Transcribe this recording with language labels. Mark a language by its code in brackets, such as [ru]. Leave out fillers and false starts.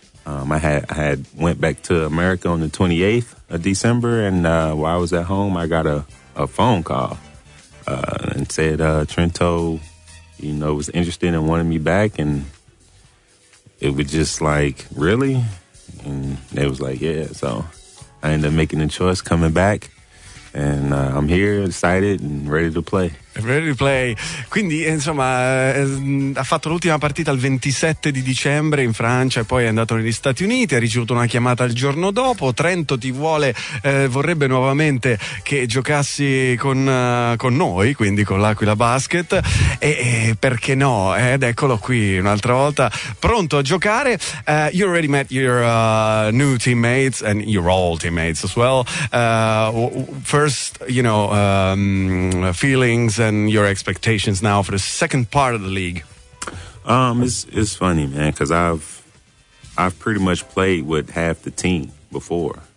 [en] I had went back to America on the 28th of December, and while I was at home, I got a phone call and said Trento, you know, was interested and wanted me back, and it was just like, really? And they was like, yeah. So I ended up making the choice, coming back. And I'm here, excited and ready to play. Ready to play. [it] Quindi, insomma, ha fatto l'ultima partita il 27 di dicembre in Francia e poi è andato negli Stati Uniti, ha ricevuto una chiamata il giorno dopo. Trento ti vuole, vorrebbe nuovamente che giocassi con noi, quindi con l'Aquila Basket. E perché no? Ed eccolo qui un'altra volta, pronto a giocare. [en] You already met your new teammates and your old teammates as well. First, you know, feelings and your expectations now for the second part of the league. It's funny, man, because I've pretty much played with half the team before.